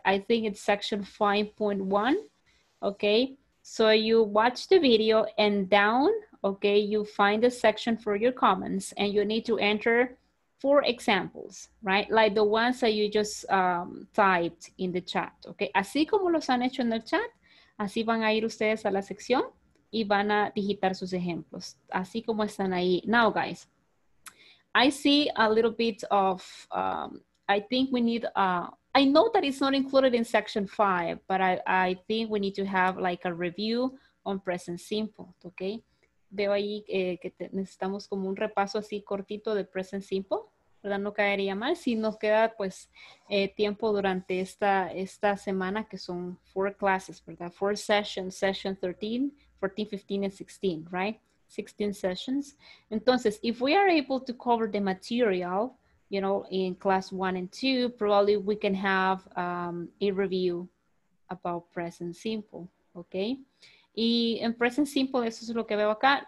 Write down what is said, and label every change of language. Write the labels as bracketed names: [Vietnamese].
[English] I think it's section 5.1. Okay. So you watch the video and down okay, you find a section for your comments and you need to enter four examples, right? Like the ones that you just typed in the chat, okay? [Spanish] Así como los han hecho en el chat, así van a ir ustedes a la sección y van a digitar sus ejemplos, así como están ahí. [English] Now, guys, I see a little bit of, I think we need, I know that it's not included in section five, but I think we need to have like a review on present simple, okay? [Spanish] Veo ahí que necesitamos como un repaso así cortito de present simple, ¿verdad? No caería mal si nos queda pues tiempo durante esta semana que son [English] four classes, [Spanish] ¿verdad? [English] Four sessions, session 13, 14, 15, and 16, right? 16 sessions. [Spanish] Entonces, [English] if we are able to cover the material, you know, in class one and two, probably we can have a review about present simple, okay? [Spanish] Y en present simple, eso es lo que veo acá.